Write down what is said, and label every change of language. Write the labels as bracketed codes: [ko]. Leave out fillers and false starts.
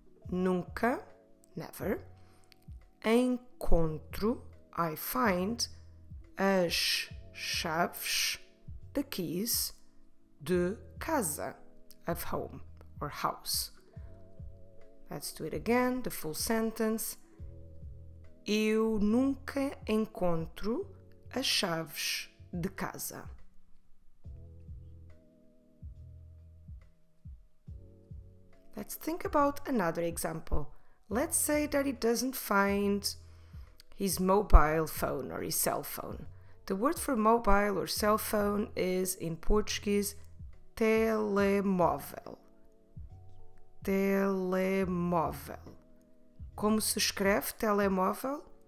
[pt] Nunca, [en] never. [pt] Encontro, [en] I find, [pt] as chaves, [en] the keys, [pt] de casa, [en] of home or house. Let's do it again, the full sentence. [pt] Eu nunca encontro as chaves de casa. [en] Let's think about another example. Let's say that he doesn't find his mobile phone or his cell phone. The word for mobile or cell phone is, in Portuguese, telemóvel. [pt] Telemóvel. Como se escreve telemóvel?